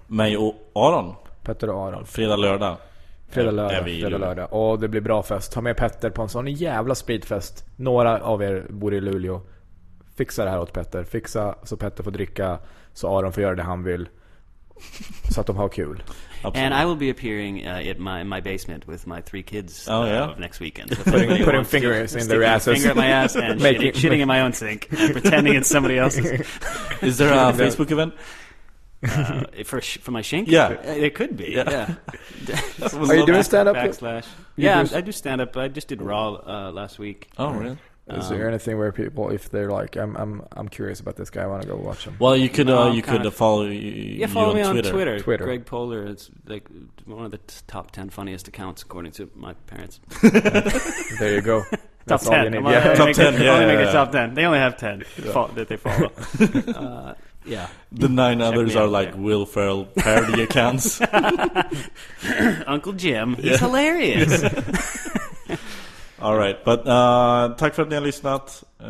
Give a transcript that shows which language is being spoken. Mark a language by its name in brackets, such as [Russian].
[Swedish] Mig och Aron. Petter och Aron. Fredag, lördag. Och det blir bra fest. Ta med Petter på en sån jävla spritfest. Några av er bor i Luleå. Fixa det här åt Petter. Fixa så Petter får dricka, så Aron får göra det han vill. Så att de har kul. [English] Absolutely. And I will be appearing in my basement with my three kids next weekend. So putting fingers in their asses. Finger in my ass and shitting in my own sink. Pretending it's somebody else's. Is there a Facebook event? For my shink? Yeah. It could be, yeah. Are you doing stand-up? Backslash. I do stand-up. I just did Raw last week. Oh, really? Is there anything where people, if they're like, I'm curious about this guy, I want to go watch him? Well, follow yeah, follow you me on Twitter. Twitter. Greg Poehler is like one of the top 10 funniest accounts according to my parents. There you go. Top 10. Top 10. Yeah. Top 10. They only have 10 that they follow. The nine others are like there. Will Ferrell parody accounts. Uncle Jim. He's hilarious. All right, but [Swedish] tack för att ni har lyssnat.